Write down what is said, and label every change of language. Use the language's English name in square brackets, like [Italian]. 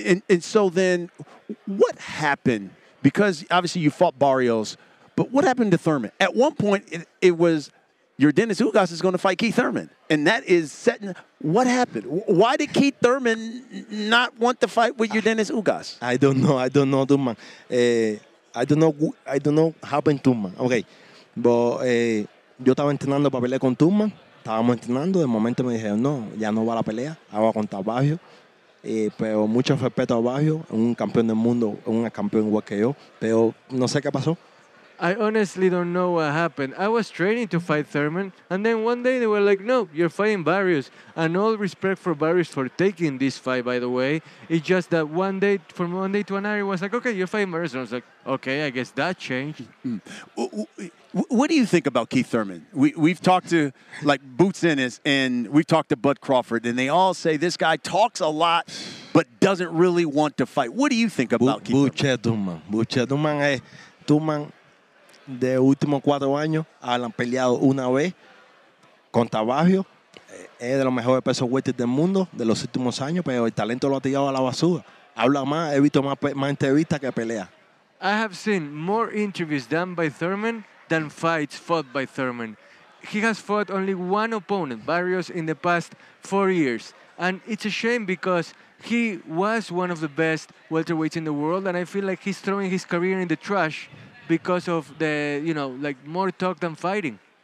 [English] And so then, what happened? Because obviously you fought Barrios, but what happened to Thurman? At one point, it was Yordenis Ugas is going to fight Keith Thurman. And that is setting. What happened? Why did Keith Thurman not want to fight with Yordenis Ugas? I don't know, Thurman. I don't know what happened to Thurman. Okay. [Spanish] But yo estaba entrenando para pelear con Thurman. Estábamos entrenando. De momento me dijeron, no, ya no va la pelea. Ahora con Tabajo. Pero mucho respeto a Barrio, un campeón del mundo, un campeón igual que yo, pero no sé qué pasó. [English] I honestly don't know what happened. I was training to fight Thurman, and then one day they were like, no, you're fighting Barrios. And all respect for Barrios for taking this fight, by the way. It's just that one day, from one day to another, it was like, okay, you're fighting Barrios. And I was like, okay, I guess that changed. Mm. What do you think about Keith Thurman? We've talked to, like, Boots Ennis, and we've talked to Bud Crawford, and they all say this guy talks a lot but doesn't really want to fight. What do you think about Keith Thurman? [Spanish] Thurman, de últimos cuatro años, han peleado una vez con Tabajio. Es de los mejores pesos welter del mundo de los últimos años, pero el talento lo ha tirado a la basura. Habla más, he visto más entrevistas que pelea. [English] I have seen more interviews done by Thurman than fights fought by Thurman. He has fought only one opponent, Barrios, in the past 4 years. And it's a shame because he was one of the best welterweights in the world, and I feel like he's throwing his career in the trash because of the, you know, like, more talk than fighting.